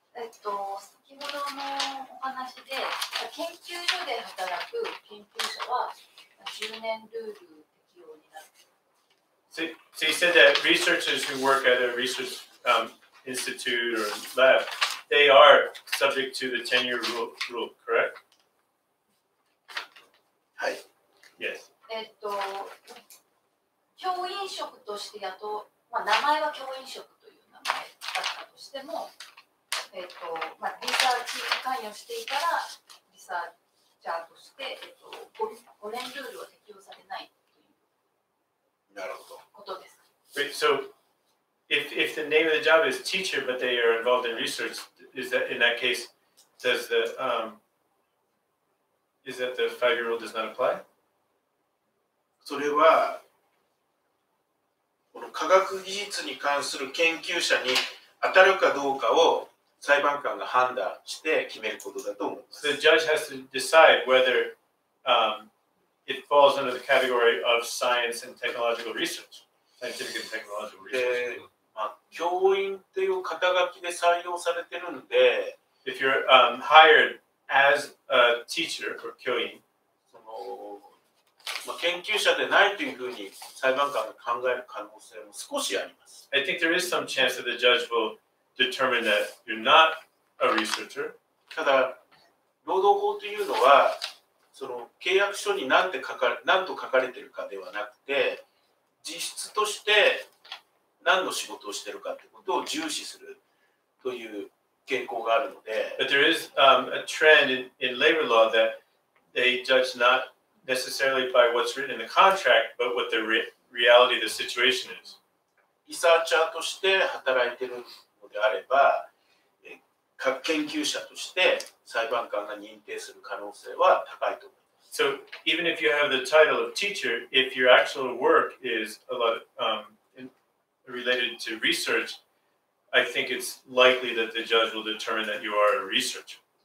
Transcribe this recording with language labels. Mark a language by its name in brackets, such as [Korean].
[Japanese] 先ほどのお話で、研究所で働く研究者は10年ルール適用になる。 [English] So you said that researchers who work at a research, institute or lab, they are subject to the tenure rule, correct? [Japanese] はい。 [English] Yes. [Japanese] 教員職として雇う、まあ、名前は教員職という名前だったとしても、リサーチに関与していたらリサーチャーとして、5年ルールは適用されないということですか。なるほど。 [English] So, if the name of the job is teacher but they are involved in research, is that in that case, does the, is that the five-year rule does not apply? [Japanese] それはこの科学技術に関する研究者に当たるかどうかを裁判官が判断して決めることだと思います。 [English] The judge has to decide whether, it falls under the category of science and technological research, scientific and technological research. [Japanese] で、教員という肩書きで採用されてるんで、 [English] If you're, hired as a teacher or 教員、 [Japanese] その、研究者でないというふうに裁判官が考える可能性も少しあります。 [English] I think there is some chance that the judge will determine that you're not a researcher. [Japanese] ただ、労働法というのは、その契約書に何と書かれているかではなくて、実質として何の仕事をしているかということを重視するという傾向があるので。 [English] But there is, a trend in labor law that they judge not necessarily by what's written in the contract, but what the reality of the situation is. [Japanese] リサーチャーとして働いている。であれば、各研究者として裁判官が認定する可能性は高いと思います。 [English] So even if you have the title of teacher, if your actual work is a lot of, related to research, I think it's likely that the judge will determine that you are a researcher.